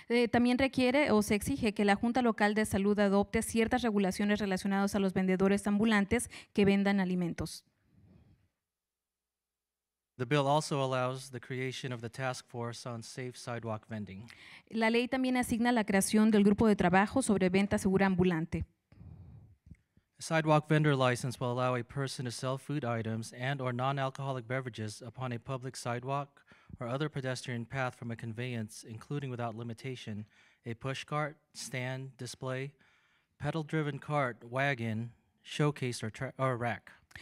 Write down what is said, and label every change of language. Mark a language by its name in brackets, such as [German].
[Spanish] También requiere o se exige que la Junta Local de Salud adopte ciertas regulaciones relacionadas a los vendedores ambulantes que vendan alimentos. [English] The bill also allows the creation of the task force on safe sidewalk vending. [Spanish] La ley también asigna la creación del grupo de trabajo sobre venta segura ambulante. [English] A sidewalk vendor license will allow a person to sell food items and or non-alcoholic beverages upon a public sidewalk or other pedestrian path from a conveyance, including without limitation, a push cart, stand, display, pedal-driven cart, wagon, showcase, or rack.